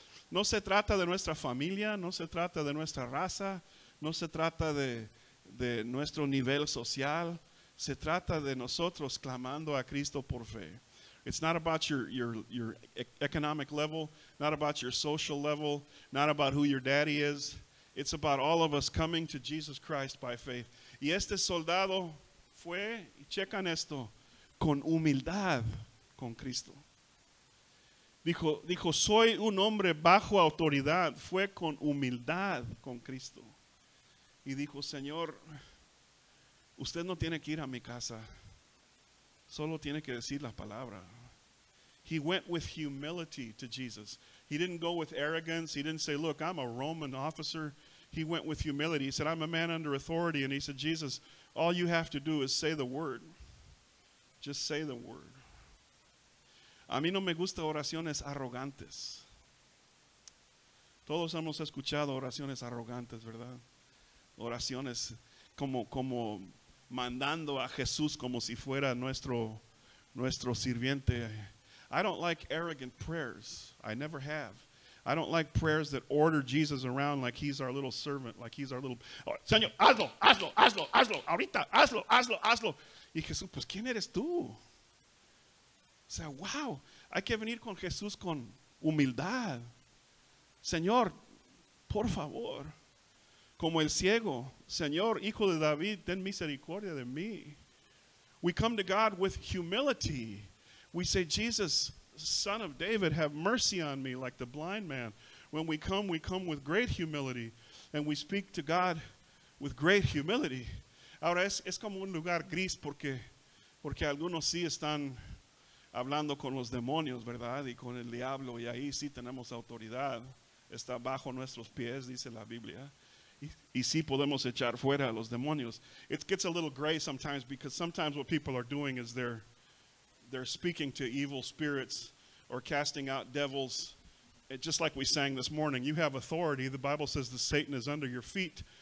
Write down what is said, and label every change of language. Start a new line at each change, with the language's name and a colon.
Spanish: No se trata de nuestra familia, no se trata de nuestra raza, no se trata de nuestro nivel social. Se trata de nosotros clamando a Cristo por fe.
English: It's not about your economic level, not about your social level, not about who your daddy is. It's about all of us coming to Jesus Christ by faith.
Spanish: Y este soldado fue, y checan esto, con humildad con Cristo. Dijo, soy un hombre bajo autoridad. Fue con humildad con Cristo. Y dijo, Señor, usted no tiene que ir a mi casa. Solo tiene que decir la palabra.
English: He went with humility to Jesus. He didn't go with arrogance. He didn't say, look, I'm a Roman officer. He went with humility. He said, I'm a man under authority. And he said, Jesus, all you have to do is say the word. Just say the word.
Spanish: A mí no me gustan oraciones arrogantes. Todos hemos escuchado oraciones arrogantes, ¿verdad? Oraciones como mandando a Jesús como si fuera nuestro sirviente.
English: I don't like arrogant prayers. I never have. I don't like prayers that order Jesus around like he's our little servant, like he's our little...
Spanish: Señor, hazlo, hazlo, hazlo, hazlo, ahorita, hazlo, hazlo, hazlo. Y Jesús, pues, ¿quién eres tú? O sea, wow, hay que venir con Jesús con humildad. Señor, por favor, como el ciego. Señor, hijo de David, ten misericordia de mí.
English: We come to God with humility. We say, Jesus, son of David, have mercy on me like the blind man. When we come with great humility. And we speak to God with great humility.
Spanish: Ahora, es como un lugar gris porque algunos sí están... hablando con los demonios, ¿verdad? Y con el diablo. Y ahí sí tenemos autoridad. Está bajo nuestros pies, dice la Biblia. Y sí podemos echar fuera a los demonios.
English: It gets a little gray sometimes because sometimes what people are doing is they're speaking to evil spirits or casting out devils. It, just like we sang this morning, you have authority. The Bible says that Satan is under your feet.